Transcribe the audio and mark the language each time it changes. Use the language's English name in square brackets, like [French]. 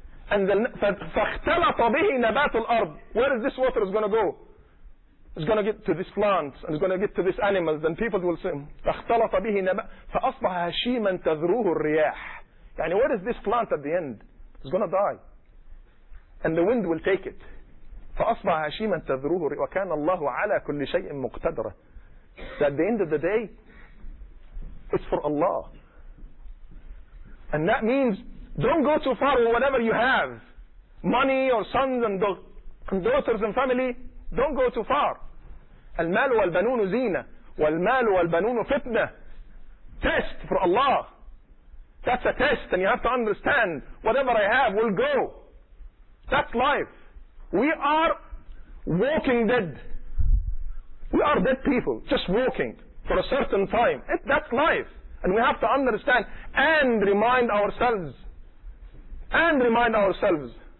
[Arabic] And فَاخْتَلَطَ بِهِ نَبَاتُ الْأَرْضِ. [English] Where is this water is going to go? It's going to get to these plants, and it's going to get to these animals, and people will say, [Arabic] فَاخْتَلَطَ بِهِ نَبَاتُ فَأَصْبَحَ هَشِيمًا تَذْرُوهُ الرِّيَاحُ. [English] يعني what is this plant at the end? It's going to die. And the wind will take it. [Arabic] فَأَصْبَحَ هَشِيمًا تَذْرُوهُ الرِّيَاحُ وَكَانَ اللَّهُ عَلَى كُلِّ شَيْءٍ مُقْتَدِرًا. [English] So at the end of the day, it's for Allah. And that means, don't go too far with whatever you have. Money or sons and daughters and family. Don't go too far. [Arabic] المال والبنون زينة والمال والبنون فتنة. [English] Test for Allah. That's a test, and you have to understand whatever I have will go. That's life. We are walking dead. We are dead people, just walking for a certain time. That's life. And we have to understand and remind ourselves. And remind ourselves.